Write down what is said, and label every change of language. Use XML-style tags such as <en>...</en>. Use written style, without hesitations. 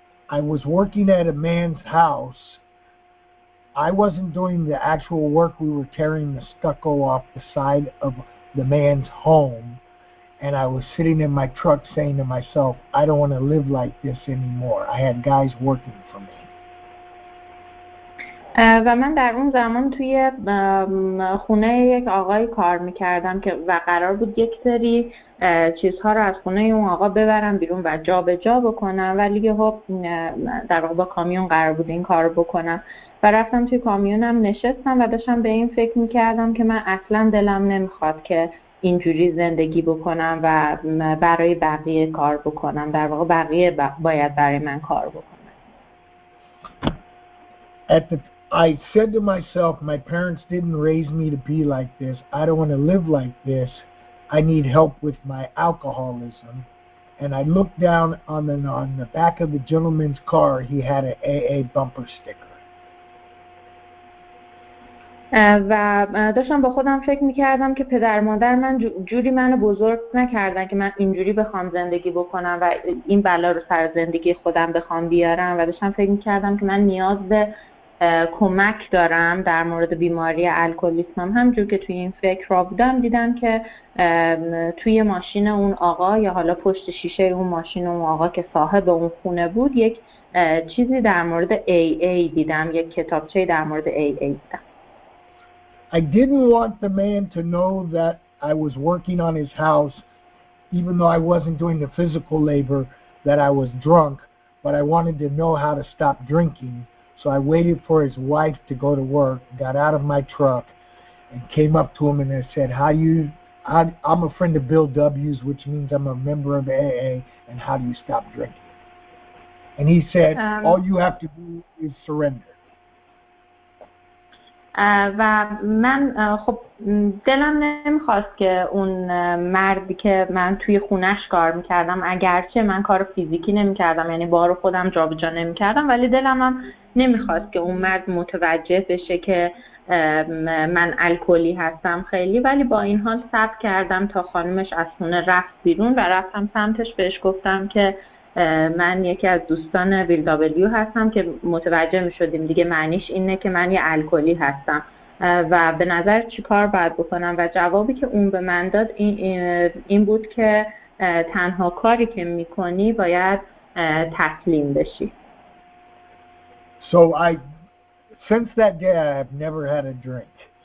<en>I was working at a man's house. I wasn't doing the actual work. We were tearing the stucco off the side of the man's home, and I was sitting in my truck saying to myself, I don't want to live like this anymore. I had guys working for me.</en> <fa>و من در اون زمان توی خونه یک آقای کار میکردم که و قرار بود یک سری چیزها رو از خونه اون آقا ببرم بیرون و جا به جا بکنم، ولی یه حب در واقع با کامیون قرار بود این کار بکنم و رفتم توی کامیونم نشستم و داشتم به این فکر میکردم که من اصلا دلم نمیخواد که اینجوری زندگی بکنم و برای بقیه کار بکنم، در واقع بقیه باید برای من کار بکنم.</fa> <en>I said to myself, my parents didn't raise me to be like this. I don't want to live like this. I need help with my alcoholism. And I looked down on the back of the gentleman's car. He had an AA bumper sticker.</en> <fa>و داشتم با خودم فکر میکردم که پدر مادر من جوری منو بزرگ نکردن که من اینجوری بخوام زندگی بکنم و این بلا رو سر زندگی خودم بخوام بیارم و داشتم فکر میکردم که من نیاز به کمک دارم در مورد بیماری الکلیسم. همجور که توی این فکر را بودم دیدم که توی ماشین اون آقا یا حالا پشت شیشه اون ماشین اون آقا که صاحب اون خونه بود یک چیزی در مورد AA دیدم، یک کتابچه در مورد AA دیدم.</fa> <en>I didn't want the man to know that I was working on his house even though I wasn't doing the physical labor that I was drunk, but I wanted to know how to stop drinking. So I waited for his wife to go to work, got out of my truck, and came up to him and I said, I'm a friend of Bill W's, which means I'm a member of AA, and how do you stop drinking? And he said, all you have to do is surrender.</en> <fa>و من خب دلم نمیخواست که اون مردی که من توی خونش کار میکردم، اگرچه من کار فیزیکی نمیکردم، یعنی بارو خودم جا به جا نمیکردم، ولی دلم هم نمیخواست که اون مرد متوجه بشه که من الکلی هستم خیلی، ولی با این حال صبر کردم تا خانمش از خونه رفت بیرون و رفتم سمتش بهش گفتم که من یکی از دوستان بیل دابلیو هستم که متوجه می شدیم دیگه معنیش اینه که من یه الکلی هستم و به نظر چی کار باید بکنم، و جوابی که اون به من داد این بود که تنها کاری که می کنی باید تسلیم بشی.</fa> <en>So since that day I have never had a drink.</en>